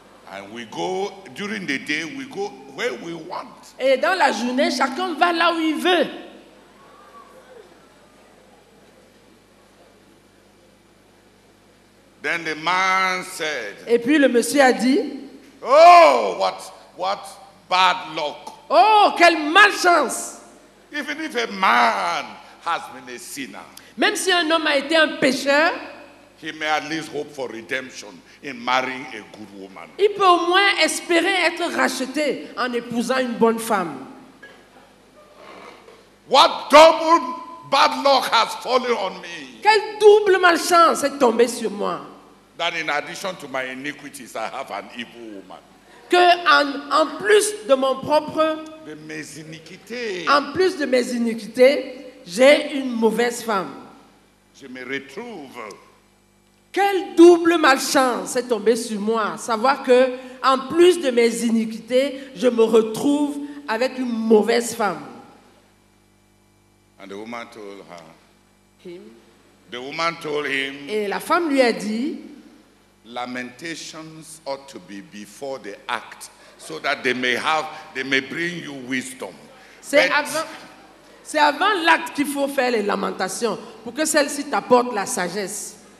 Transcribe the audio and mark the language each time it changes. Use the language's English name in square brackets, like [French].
[English] And we go during the day, we go where we want. [French] Et dans la journée, chacun va là où il veut. [English] Then the man said, [French] et puis le monsieur a dit, [English] oh, what bad luck. [French] Oh, quelle malchance. [English] Even if a man has been a sinner, [French] même si un homme a été un pécheur, [English] he may at least hope for redemption in marrying a good woman. [French] Il peut au moins espérer être racheté en épousant une bonne femme. [English] What double bad luck has fallen on me? [French] Quelle double malchance est tombée sur moi? [English] That in addition to my iniquities, I have an evil woman. [French] Que en plus de mon propre, de mes iniquités, en plus de mes iniquités, j'ai une mauvaise femme. Je me retrouve. Quelle double malchance est tombée sur moi, savoir que en plus de mes iniquités, je me retrouve avec une mauvaise femme. [English] And the woman told her. Him. The woman told him. [French] Et la femme lui a dit. [English] Lamentations ought to be before the act, so that they may bring you wisdom. [French] C'est avant l'acte qu'il faut faire les lamentations pour que celle-ci t'apporte la sagesse.